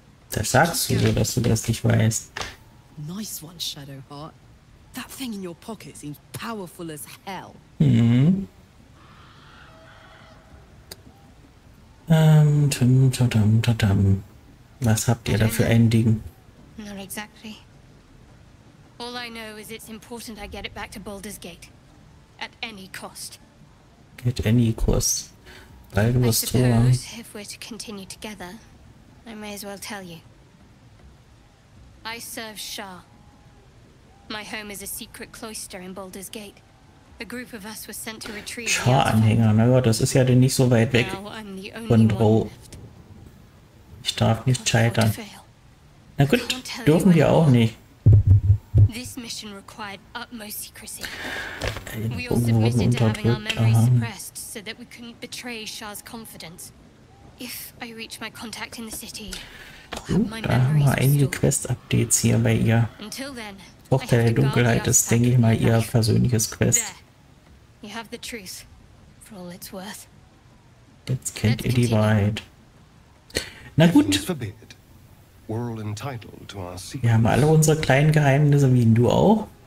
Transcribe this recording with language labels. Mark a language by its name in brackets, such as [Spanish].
[German] Das sagst du so, dass du das nicht weißt. [English] Nice one, Shadowheart. That thing in your pocket seems powerful as hell. [German] Was habt ihr da für ein Ding? [English] Not exactly. All I know is it's important I get it back to Baldur's Gate. At any cost. At any cost. I suppose if we're to continue together, I may as well tell you. I serve Shah. My home is a secret cloister in Baldur's Gate. A group of us were sent to retrieve. [German] Shah-Anhänger, na ja, das ist ja denn nicht so weit weg. Und oh, ich darf nicht scheitern. Na gut, dürfen wir auch nicht. [English] This mission required utmost secrecy. We all submitted to having our memories suppressed so that we couldn't betray Shah's confidence. If I reach my contact in the city, I'll have my memories restored. [German] Da haben wir einige Quest-Updates hier bei ihr. [English] Until then, [German] auch der Dunkelheit ist, denke ich mal, ihr persönliches Quest. [English] You have the truth, for all it's worth. [German] Jetzt kennt ihr die Wahrheit. Na gut. Wir haben alle unsere kleinen Geheimnisse, wie du auch.